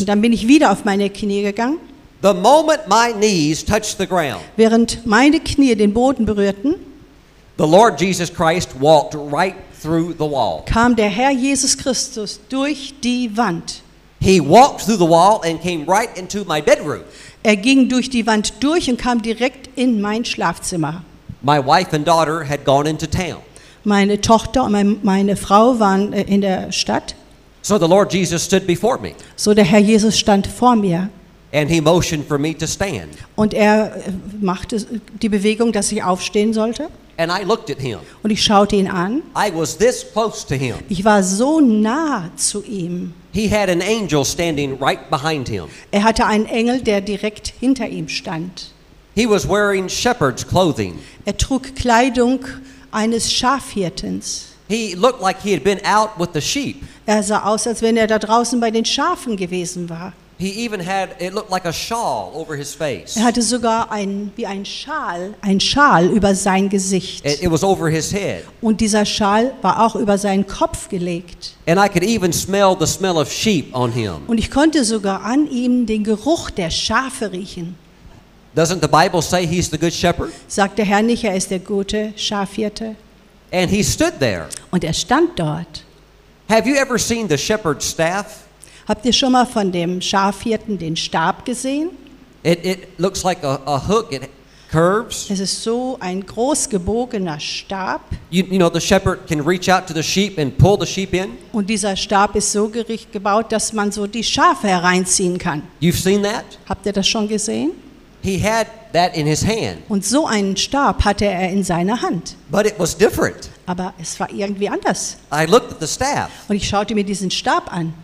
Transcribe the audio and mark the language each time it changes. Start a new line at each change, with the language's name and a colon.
German: Und dann bin ich wieder auf meine Knie gegangen.
English: The moment my knees touched the ground,
German: während meine Knie den Boden berührten,
English: the Lord Jesus Christ walked right through the wall.
German: Kam der Herr Jesus Christus durch die Wand.
English: He walked through the wall and came right into my bedroom.
German: Er ging durch die Wand durch und kam direkt in mein Schlafzimmer.
English: My wife and daughter had gone into town.
German: Meine Tochter und meine Frau waren in der Stadt.
English: So the Lord Jesus stood before me.
German: So der Herr Jesus stand vor mir.
English: And he motioned for me to stand.
German: Und er machte die Bewegung, dass ich aufstehen sollte.
English: And I looked at him.
German: Und ich schaute ihn an.
English: I was this close to him.
German: Ich war so nah zu ihm.
English: He had an angel standing right behind him.
German: Er hatte einen Engel, der direkt hinter ihm stand.
English: He was wearing shepherd's clothing.
German: Er trug Kleidung eines Schafhirtens.
English: He looked like he had been out with the sheep.
German: Er sah aus, als wenn er da draußen bei den Schafen gewesen war.
English: He even had, it looked like a shawl over his face.
German: Er hatte sogar wie ein Schal über sein Gesicht.
English: It was over his head.
German: Und dieser Schal war auch über seinen Kopf gelegt.
English: And I could even smell the smell of sheep on him.
German: Und ich konnte sogar an ihm den Geruch der Schafe riechen.
English: Doesn't the Bible say he's the good shepherd?
German: Sagt der Herr nicht, er ist der gute Schafhirte?
English: And he stood there.
German: Und er stand dort.
English: Have you ever seen the shepherd's staff?
German: Habt ihr schon mal von dem Schafhirten den Stab gesehen?
English: It looks like a hook. It curves.
German: Es ist so ein groß gebogener Stab.
English: You know, the shepherd can reach out to the sheep and pull the sheep in.
German: Und dieser Stab ist so gerichtet gebaut, dass man so die Schafe hereinziehen kann.
English: You've seen that?
German: Habt ihr das schon gesehen?
English: He had that in his hand.
German: Und so einen Stab hatte er in seiner Hand.
English: But it was different.
German: Aber es war irgendwie anders.
English: I looked at the staff.
German: Und ich schaute mir diesen Stab an.